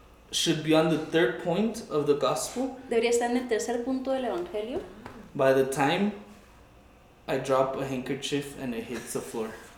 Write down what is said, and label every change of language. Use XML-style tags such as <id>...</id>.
<en>Should be on the third point of the gospel.</en> <es>Debería estar en el tercer punto del evangelio.</es> <en>By the time I drop a handkerchief and it hits the floor.</en>